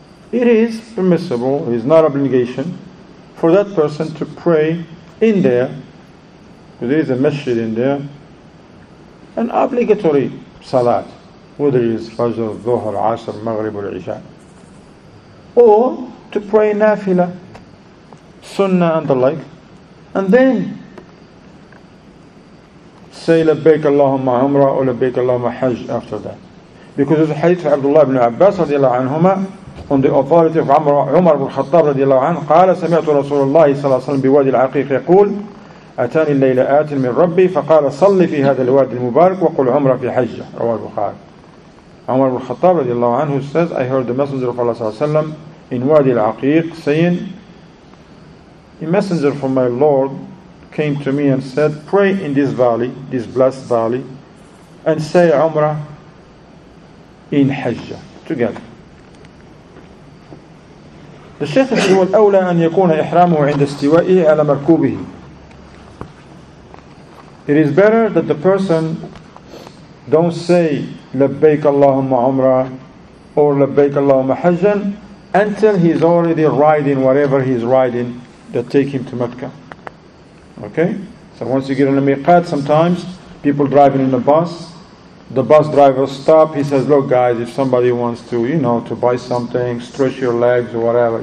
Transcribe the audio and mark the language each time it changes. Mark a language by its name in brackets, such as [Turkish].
[English] It is permissible, it is not obligation for that person to pray in there, because there is a masjid in there, an obligatory salat, whether it is Fajr, Dhuhr, Asr, Maghrib, or Isha, or to pray Nafila, Sunnah, and the like, and then say Labbaik Allahumma Umrah or Labbaik Allahumma Hajj after that. Because of the hadith of Abdullah ibn Abbas radiallahu anhuma, on the authority of Umar ibn Khattab radiallahu anhu, [Arabic] قال سمعت رسول الله صلى الله عليه وسلم بوادي العقيق يقول أتاني الليلة آت من ربي فقال صلي في هذا الوادي المبارك وقل عمرة في حجة رواه البخاري. [English] Umar ibn Khattab radiallahu anhu says, I heard the messenger of Allah صلى الله عليه وسلم in Wadi al-Aqiq saying, a messenger from my Lord came to me and said, pray in this valley, this blessed valley, and say Umrah in Hajj together. The Shaykh is the one [Arabic] أولى أن يكون إحرامه عند استوائه على مركوبه. [English] It is better that the person don't say [Arabic] لبيك اللهم عمره [English] or [Arabic] لبيك اللهم حجا [English] until he's already riding whatever he's riding that take him to Mecca. Okay? So once you get on a miqat, sometimes people driving in a bus, the bus driver stops, he says, look guys, if somebody wants to, you know, to buy something, stretch your legs or whatever.